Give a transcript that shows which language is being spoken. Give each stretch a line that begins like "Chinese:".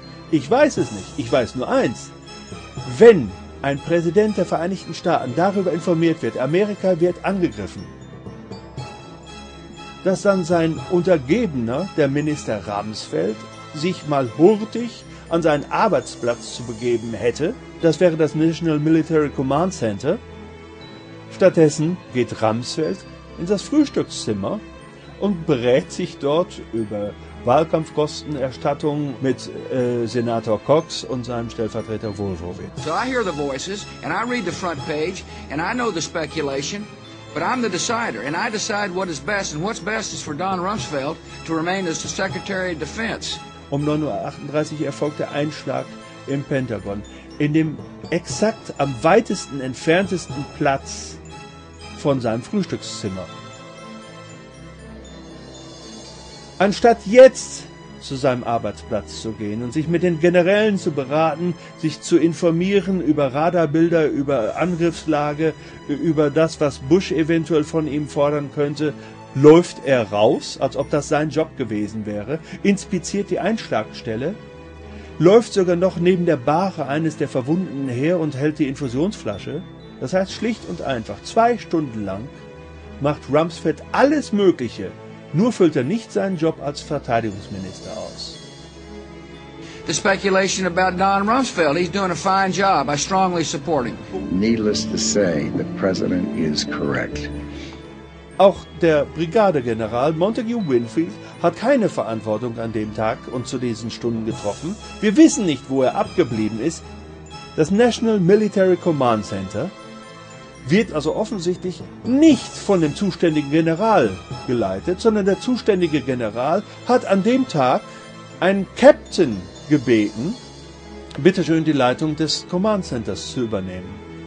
German: Ich weiß es nicht. Ich weiß nur eins. Wenn ein Präsident der Vereinigten Staaten darüber informiert wird, Amerika wird angegriffen, dass dann sein Untergebener, der Minister Rumsfeld, sich mal hurtig an seinen Arbeitsplatz zu begeben hätte, das wäre das National Military Command Center. Stattdessen geht Rumsfeld in das Frühstückszimmer und berät sich dort über Wahlkampfkostenerstattung mit Senator Cox und seinem Stellvertreter Wolfowitz.
English: So I hear the voices and I read the front page and I know the speculation, but I'm the decider and I decide what is best, and what's best is for Don Rumsfeld to remain as the Secretary of Defense.
German: Um 9.38 Uhr erfolgt der Einschlag im Pentagon. In dem exakt am weitesten, entferntesten Platz von seinem Frühstückszimmer. Anstatt jetzt zu seinem Arbeitsplatz zu gehen und sich mit den Generälen zu beraten, sich zu informieren über Radarbilder, über Angriffslage, über das, was Bush eventuell von ihm fordern könnte, läuft er raus, als ob das sein Job gewesen wäre, inspiziert die Einschlagstelle, läuft sogar noch neben der Bahre eines der Verwundeten her und hält die Infusionsflasche. Das heißt, schlicht und einfach, 2 Stunden lang macht Rumsfeld alles Mögliche, nur füllt er nicht seinen Job als Verteidigungsminister aus.
English: The speculation about Don Rumsfeld, he's doing a fine job, I strongly support him. Needless to say, the president is correct.
German: Auch der Brigadegeneral Montague Winfield hat keine Verantwortung an dem Tag und zu diesen Stunden getroffen. Wir wissen nicht, wo er abgeblieben ist. Das National Military Command Center wird also offensichtlich nicht von dem zuständigen General geleitet, sondern der zuständige General hat an dem Tag einen Captain gebeten, bitteschön die Leitung des Command Centers zu übernehmen.